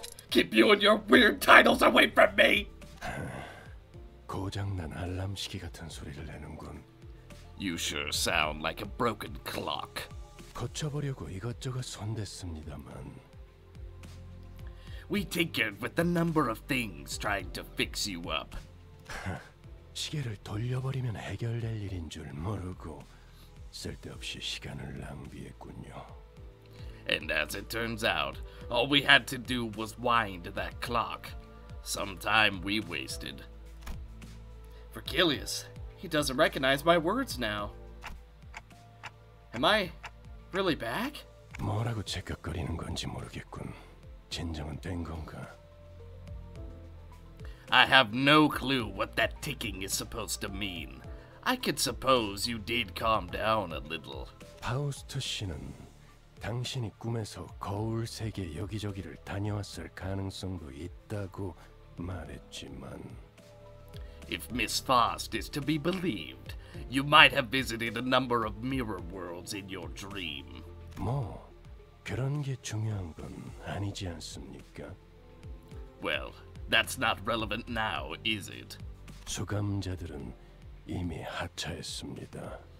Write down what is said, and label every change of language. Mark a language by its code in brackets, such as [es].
[en] Keep you and your weird titles away from me! [ko] 고장난 알람시계 같은 소리를 내는군. [en] You sure sound like a broken clock. [ko] 고쳐보려고 이것저것 손댔습니다만. [en] We tinkered with a number of things trying to fix you up. [ko] 시계를 돌려버리면 해결될 일인 줄 모르고 쓸데없이 시간을 낭비했군요. [en] And as it turns out, all we had to do was wind that clock. Some time we wasted. Virgilius, he doesn't recognize my words now. Am I really back? [ko] 뭐라고 체격거리는 건지 모르겠군. 진정은 된 건가? [en] I have no clue what that ticking is supposed to mean. I could suppose you did calm down a little. [ko] 파우스트 씨는 당신이 꿈에서 거울 세계 여기저기를 다녀왔을 가능성도 있다고 말했지만... [en] If Miss Faust is to be believed, you might have visited a number of mirror worlds in your dream. [ko] 뭐, 그런 게 중요한 건 아니지 않습니까? [en] Well, that's not relevant now, is it? [ko] 수감자들은 이미 하차했습니다.